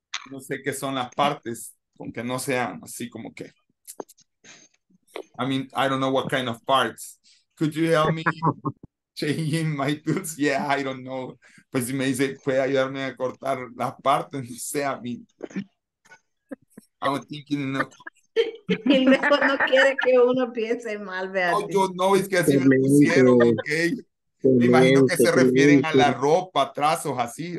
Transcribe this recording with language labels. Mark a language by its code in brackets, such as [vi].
[es] No sé qué son las partes, aunque no sean así como que. [en] I mean, I don't know what kind of parts. Could you help me changing my tools? Yeah, I don't know. [es] Pues si me dice, ¿puede ayudarme a cortar las partes? No sé, [en] I mean, I'm thinking, no. [es] El mejor no quiere que uno piense mal, Beatriz. Oh, yo no, es que así me pusieron, ok. Me imagino que se refieren a la ropa, trazos, así.